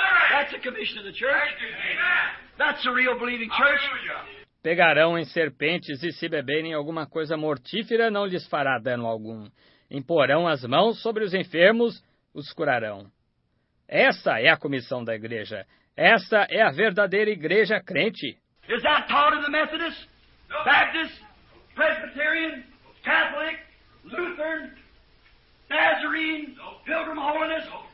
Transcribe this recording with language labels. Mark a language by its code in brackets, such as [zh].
[en] That's the commission of the church. Amen. That's the real believing church. [pt] Pegarão em serpentes e se beberem alguma coisa mortífera, não lhes fará dano algum. Imporão as mãos sobre os enfermos, os curarão. Essa é a comissão da igreja. Essa é a verdadeira igreja crente. [en] Is that taught in the Methodist, Baptist, Presbyterian, Catholic, Lutheran, Nazarene, Pilgrim Holiness?